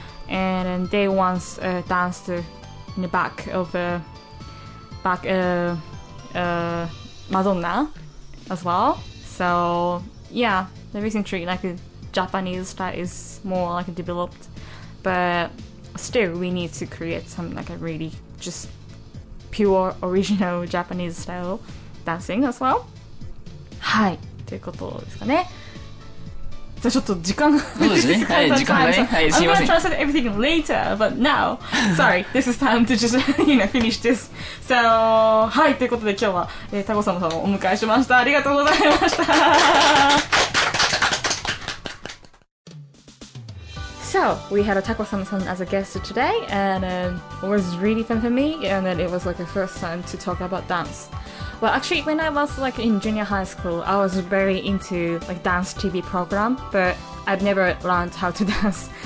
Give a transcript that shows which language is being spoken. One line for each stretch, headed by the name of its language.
English: And they once danced in the back of Madonna as well. So yeah, the reason to like the Japanese style is more like developed, but still we need to create some like a really just pure original Japanese style dancing as well.
Japanese: はい、ということですかね。ちょっと時間が、そうですね、はい、時間がね、はい、すいません。
English: I'm gonna translate everything later, but now sorry, this is time to just, you know, finish this. So,
Japanese: はい、ということで今日は、タコ様さんをお迎えしました。ありがとうございました。
English: So, we had a タコ様さん as a guest today, and it was really fun for me, and it was like a first time to talk about danceWell, actually, when I was like in junior high school, I was very into like dance TV program, but I've never learned how to dance.